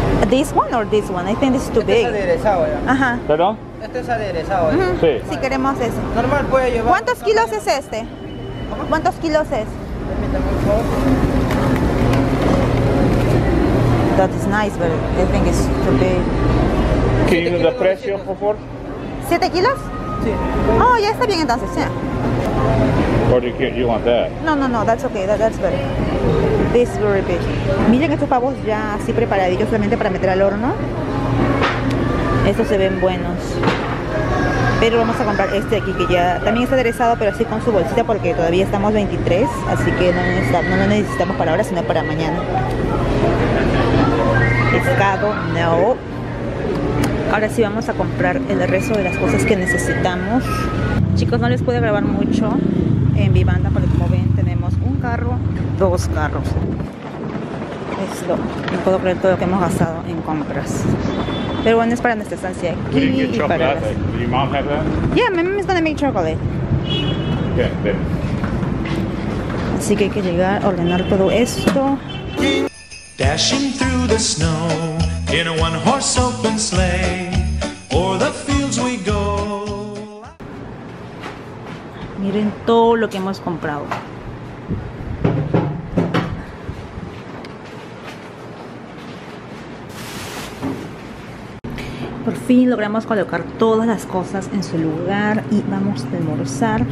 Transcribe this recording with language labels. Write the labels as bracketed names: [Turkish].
[English] This one or this one? I think it's too este big. [Spanish] Es aderezado ya. Ajá. ¿Perdón? Este es aderezado ya. Uh-huh. Sí. Si queremos eso. Normal puede llevar. ¿Cuántos kilos es este? ¿Cómo? ¿Cuántos kilos es? [English] That is nice, but I think it's too big. [Spanish] ¿Qué es el precio, por favor? ¿7 kilos? Sí. Oh, ya está bien entonces, sí. [English] Or do you care? You want that? No, no, no, that's okay, that's better. This is very big. [Spanish] Miren estos pavos ya así preparaditos solamente para meter al horno. Estos se ven buenos. Pero vamos a comprar este aquí que ya también está aderezado, pero así con su bolsita, porque todavía estamos 23, así que no, no lo necesitamos para ahora, sino para mañana. Pescado, no. Ahora sí vamos a comprar el resto de las cosas que necesitamos. Chicos, no les puedo grabar mucho en Vivanda, porque como ven tenemos un carro, dos carros. Esto, no puedo creer todo lo que hemos gastado en compras. Pero bueno, es para nuestra estancia aquí y para las... [English] ¿Do your mom have that? Yeah, my mom is gonna make chocolate. Okay, then. [Spanish] Así que hay que llegar a ordenar todo esto. [English] Dashing through the snow in a one horse open sleigh, o'er the fields we go. [Spanish] Miren todo lo que hemos comprado. Por por fin logramos colocar todas las cosas en su lugar y vamos a almorzar.